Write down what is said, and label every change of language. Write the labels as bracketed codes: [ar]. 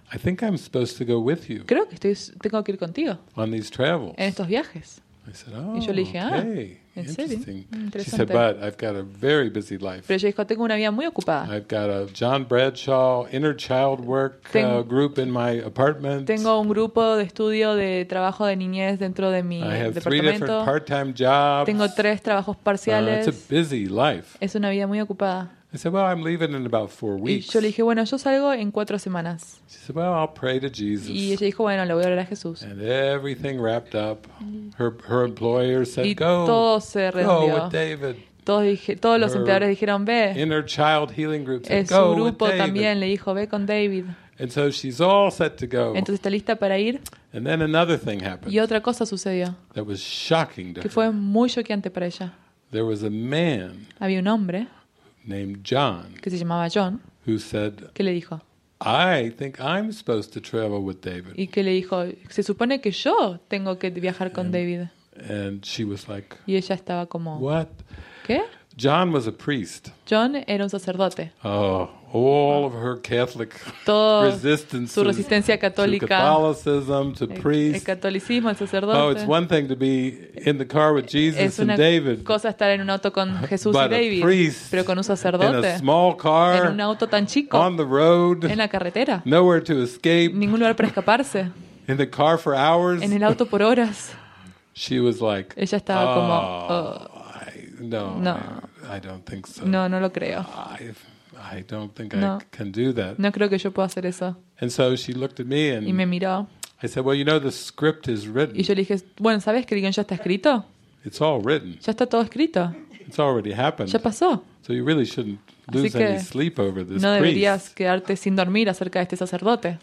[en] I think I'm supposed to go with you. [es] Creo que tengo que ir contigo. [en] On these travels. [es] En estos viajes. [en] I said, oh, [es] y yo le dije, [en] okay. Ah, interesting. She said, but I've got a very busy life. [es] Pero ella dijo, tengo una vida muy ocupada. [en] I've got a John Bradshaw inner child work group in my apartment. [es] Tengo un grupo de estudio de trabajo de niñez dentro de mi departamento. [en] I have three different part-time jobs. [es] Tengo tres trabajos parciales. [en] It's a busy life. [es] Es una vida muy ocupada. [en] I said, well, I'm leaving in about 4 weeks. [es] Y yo le dije, bueno, yo salgo en 4 semanas. [en] She said, well, I'll pray to Jesus. [es] Y ella dijo, bueno, le voy a orar a Jesús. [en] And everything wrapped up. Her employer said, [es] y [en] go. [es] Y todo se rendió. [en] Go with David. [es] Todos los empleadores dijeron, ve. [en] Inner child healing group said, [es] en su grupo también le dijo, ve con David. [en] And so she's all set to go. [es] Entonces está lista para ir. [en] And then another thing happened. [es] Y otra cosa sucedió. [en] That was shocking to [es] que fue muy choqueante para ella. [en] There was a man. [es] Había un hombre. [en] Named John, [es] que se llamaba John, [en] who said, [es] que le dijo, [en] I think I'm supposed to travel with David. [es] Y que le dijo, se supone que yo tengo que viajar con David. [en] And she was like, [es] y ella estaba como, [en] what? [es] ¿Qué? [en] John was a priest. [es] John era un sacerdote. [en] Oh, all of her Catholic resistance, [es] su resistencia católica, [en] to Catholicism, to priests. [es] El catolicismo, el sacerdote. [en] Oh, it's one thing to be in the car with Jesus and David. [es] Es una cosa estar en un auto con Jesús [en] but [es] y David. [en] A priest, [es] pero con un sacerdote. [en] In a small car, [es] en un auto tan chico. [en] On the road, [es] en la carretera. [en] Nowhere to escape. [es] Ningún lugar para escaparse. [en] In the car for hours. [es] En el auto por horas. [en] She was like, [es] ella estaba como, [en] no, [es] no. [en] I don't think so. [es] No, no lo creo. [en] I don't think no. I can do that. [es] No creo que yo pueda hacer eso. [en] And so she looked at me and [es] y me miró. [en] I said, well, you know, the script is written. [es] Y yo le dije, bueno, ¿sabes que el guion ya está escrito? [en] It's all written. [es] Ya está todo escrito. [en] It's already happened. [es] Ya pasó. [en] So you really shouldn't lose any sleep over this [es] no [en] priest. [es] Deberías quedarte sin dormir acerca de este sacerdote.